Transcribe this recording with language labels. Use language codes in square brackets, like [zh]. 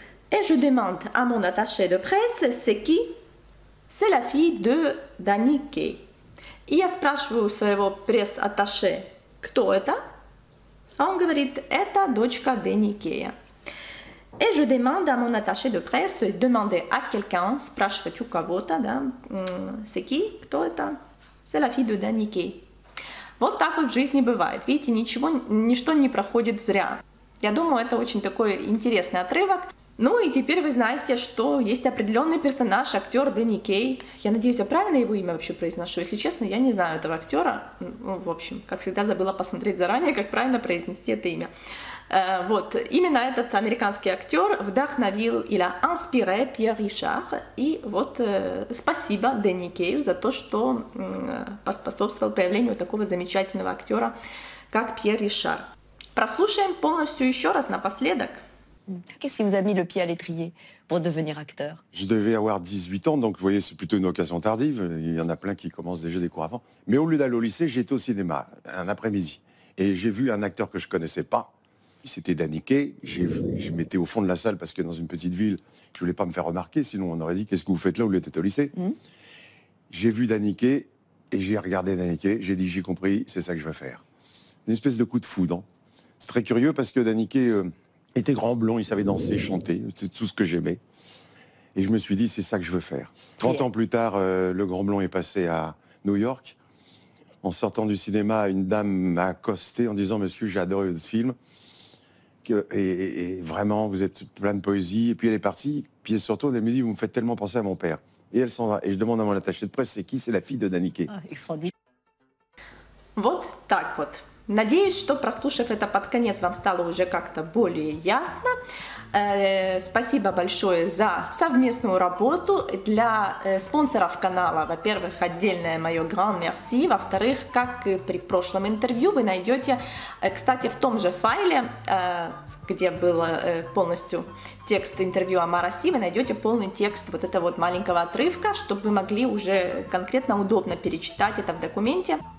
[fr] Et je demande à mon attaché de presse, c'est qui? C'est la fille de Daniquet. [ru] И я спрашиваю своего пресс-attaché, кто это? Он говорит, это дочка Даникея. [fr] Et je demande à mon attaché de presse, de demander à quelqu'un, [ru] спрашивать у кого-то, да, [fr] c'est qui, [ru] кто это? [fr] C'est la fille de Daniquet. [ru] Вот так вот в жизни бывает. Видите, ничего, ничто не проходит зря. Я думаю, это очень такой интересный отрывок. Ну и теперь вы знаете, что есть определенный персонаж, актер Даниquet. Я надеюсь, я правильно его имя вообще произношу. Если честно, я не знаю этого актера. Ну, в общем, как всегда, забыла посмотреть заранее, как правильно произнести это имя. Вот, именно этот американский актер вдохновил или inspiré Пьер Ришар. И вот спасибо Даниquet за то, что поспособствовал появлению такого замечательного актера, как Пьер Ришар. Прослушаем полностью еще раз напоследок. [fr] Qu'est-ce qui vous a mis le pied à l'étrier pour devenir acteur? Je devais avoir 18 ans, donc vous voyez, c'est plutôt une occasion tardive. Il y en a plein qui commencent déjà des cours avant. Mais au lieu d'aller au lycée, j'étais au cinéma un après-midi. Et j'ai vu un acteur que je ne connaissais pas. C'était Daniquet. Je m'étais au fond de la salle parce que dans une petite ville, je ne voulais pas me faire remarquer. Sinon, on aurait dit, qu'est-ce que vous faites là au lieu d'être au lycée? J'ai vu Daniquet et j'ai regardé Daniquet. J'ai dit, j'ai compris, c'est ça que je veux faire. Une espèce de coup de foudre. C'est très curieux parce que Daniquet... Il était grand blond, il savait danser, chanter, c'est tout ce que j'aimais. Et je me suis dit, c'est ça que je veux faire. 30 ans plus tard, Le Grand Blond est passé à New York. En sortant du cinéma, une dame m'a accosté en disant, monsieur, j'ai adoré votre film. Et vraiment, vous êtes plein de poésie. Et puis elle est partie, puis elle se retourne, elle me dit, vous me faites tellement penser à mon père. Et elle s'en va. Et je demande à mon attaché de presse, c'est qui? C'est la fille de Daniquet. [ru] Вот так вот. Надеюсь, что, прослушав это под конец, вам стало уже как-то более ясно. Спасибо большое за совместную работу. Для спонсоров канала, во-первых, отдельное мое [fr] grand merci. [ru] Во-вторых, как и при прошлом интервью, вы найдете, кстати, в том же файле, где был полностью текст интервью Амара Си, вы найдете полный текст вот этого вот маленького отрывка, чтобы вы могли уже конкретно удобно перечитать это в документе.